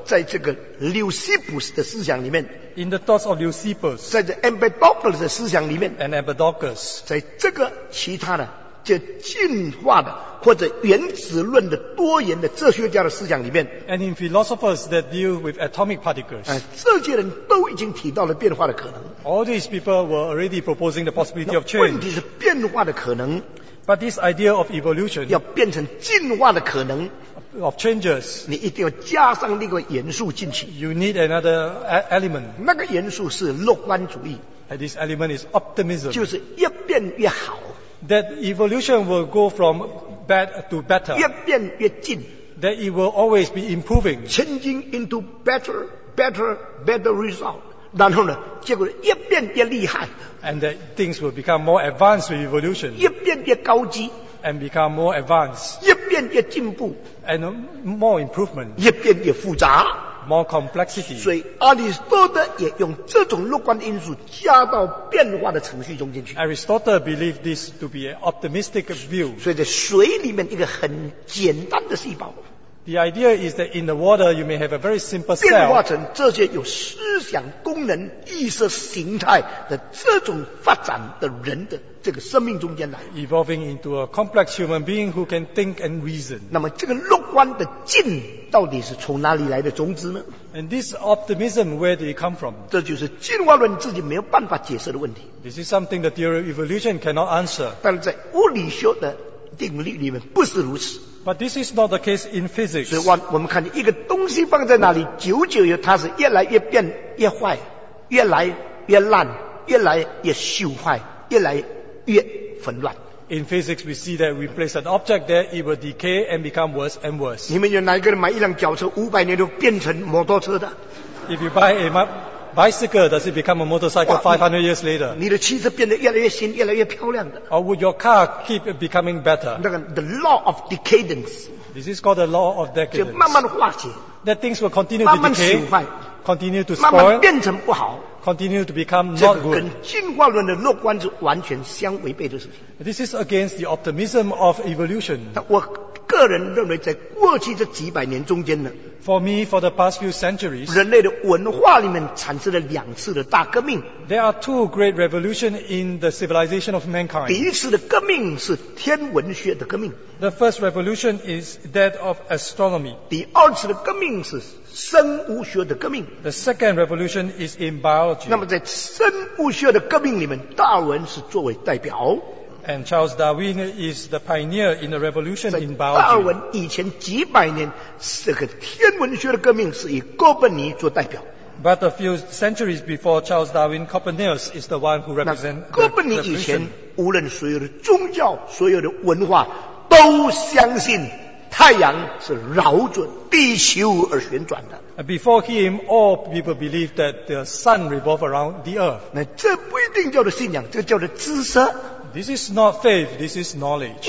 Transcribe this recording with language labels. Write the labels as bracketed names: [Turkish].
[Chinese] 在这个 Leucippus 的思想里面。 [English] In the thoughts of Leucippus. [Chinese] 在这 Empedocles 的思想里面。 [English] And Empedocles. [Chinese] 在这个其他的。就进化的或者原子论的多元的哲学家的思想里面 [English] and in philosophers that deal with atomic particles [Chinese] 这些人都已经提到了变化的可能 [English] all these people were already proposing the possibility of change [Chinese] 问题是变化的可能 [English] but this idea of evolution [Chinese] 要变成进化的可能 [English] of changes [Chinese] 你一定要加上另外一个元素进去 [English] you need another element [Chinese] 那个元素是乐观主义 [English] and this element is optimism [Chinese] 就是越变越好 [English] That evolution will go from bad to better. [Chinese] 越变越近 [English] That it will always be improving. Changing into better, better, better result. [Chinese] 然后呢，结果越变越厉害 [English] And that things will become more advanced with evolution. [Chinese] 越变越高级 [English] And become more advanced. [Chinese] 越变越进步 [English] And more improvement. [Chinese] 越变越复杂 [English] More complexity. [Chinese] 所以阿里斯多德也用这种乐观的因素加到变化的程序中间去。 [English] Aristotle believed this to be an optimistic view. [Chinese] 所以在水里面一个很简单的细胞。 [English] The idea is that in the water you may have a very simple cell. [Chinese] 变化成这些有思想功能意识形态的这种发展的人的这个生命中间来。 [English] Evolving into a complex human being who can think and reason. [Chinese] 那么这个乐观的劲到底是从哪里来的种子呢？ [English] And this optimism, where did it come from? [Chinese] 这就是进化论自己没有办法解释的问题。 [English] This is something the theory of evolution cannot answer. [Chinese] 但在物理学的定律里面不是如此。 [English] But this is not the case in physics. [Chinese] 所以我们看见一个东西放在那里，久久它是越来越变越坏，越来越烂，越来越朽坏，越来越混乱。 [English] In physics, we see that we place an object there, it will decay and become worse and worse. [Chinese] 你们有哪一个人买一辆脚车，五百年都变成摩托车的 [English] ？If you buy a bicycle, does it become a motorcycle 500 years later? [Chinese] 你的汽车变得越来越新，越来越漂亮的。 [English] Or would your car keep becoming better? [Chinese] 那个 [English] the law of decadence. This is called the law of decadence. [Chinese] 就慢慢化解。 [English] That things will continue to decay. [Chinese] 慢慢朽坏。 [English] Continue to spoil. [Chinese] 慢慢变成不好。 [English] Continue to become not good. [Chinese] 这个跟进化论的乐观是完全相违背的事情。 [English] This is against the optimism of evolution. [Chinese] 我个人认为，在过去这几百年中间呢。 [English] For me, for the past few centuries, [Chinese] 人类的文化里面产生了两次的大革命。 [English] There are two great revolutions in the civilization of mankind. [Chinese] 第一次的革命是天文学的革命。 [English] The first revolution is that of astronomy. [Chinese] 第二次的革命是生物学的革命。 [English] The second revolution is in biology. [Chinese] 那么在生物学的革命里面，达尔文是作为代表。 [English] And Charles Darwin is the pioneer in the revolution in biology. [Chinese] 达尔文以前几百年，这个天文学的革命是以哥本尼做代表。 [English] But a few centuries before Charles Darwin, Copernicus is the one who represents the revolution. [Chinese] 哥本尼以前，无论所有的宗教、所有的文化，都相信太阳是绕着地球而旋转的。 [English] Before him, all people believed that the sun revolved around the earth. [Chinese] 那这不一定叫做信仰，这叫做知识。 [English] This is not faith, this is knowledge.